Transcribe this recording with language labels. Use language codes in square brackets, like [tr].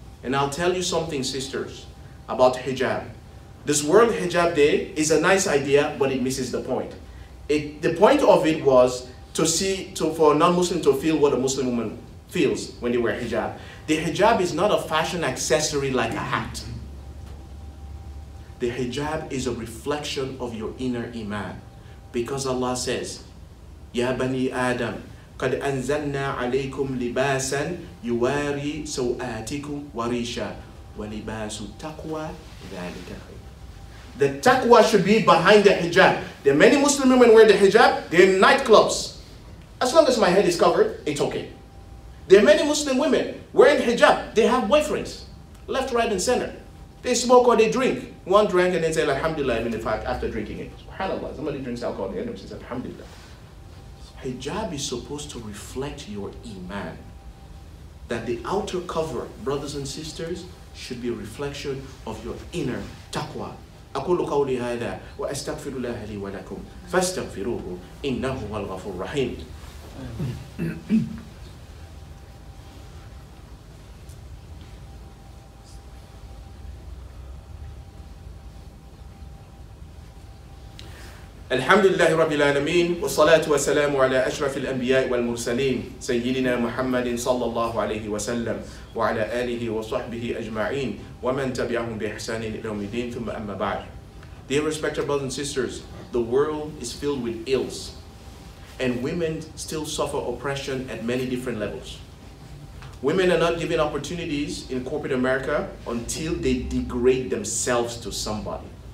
[en] And I'll tell you something, sisters, about hijab. This World Hijab Day is a nice idea, but it misses the point. The point of it was for a non-Muslim to feel what a Muslim woman feels when they wear hijab. The hijab is not a fashion accessory like a hat. The hijab is a reflection of your inner iman. Because Allah says, [ar] Ya Bani Adam, قَدْ أَنزَلْنَا عَلَيْكُمْ لِبَاسًا يُوَارِي سَوْآتِكُمْ وَرِيشًا وَلِبَاسُ التَّقْوَى ذَلِكَ خَيْرٌ. [en] The taqwa should be behind the hijab. There are many Muslim women wear the hijab, they're in nightclubs. As long as my head is covered, it's okay. There are many Muslim women wearing hijab, they have boyfriends, left, right, and center. They smoke or they drink. One drank and they say, Alhamdulillah, even if after drinking it. SubhanAllah, somebody drinks alcohol, they end up saying, Alhamdulillah. Hijab is supposed to reflect your iman. That the outer cover, brothers and sisters, should be a reflection of your inner taqwa. [ar] أقول قولي هذا وأستغفر الله لي ولكم فاستغفروه إنه هو الغفور الرحيم. الحمد لله رب العالمين والصلاة والسلام على أشرف الأنبياء والمرسلين سيدنا محمد صلى الله عليه وسلم وعلى آله وصحبه أجمعين ومن تبعهم بإحسان إلى يوم الدين ثم أما بعد. [en] Dear respected brothers and sisters, the world is filled with ills and women still suffer oppression at many different levels. Women are not given opportunities in corporate America until they degrade themselves to somebody.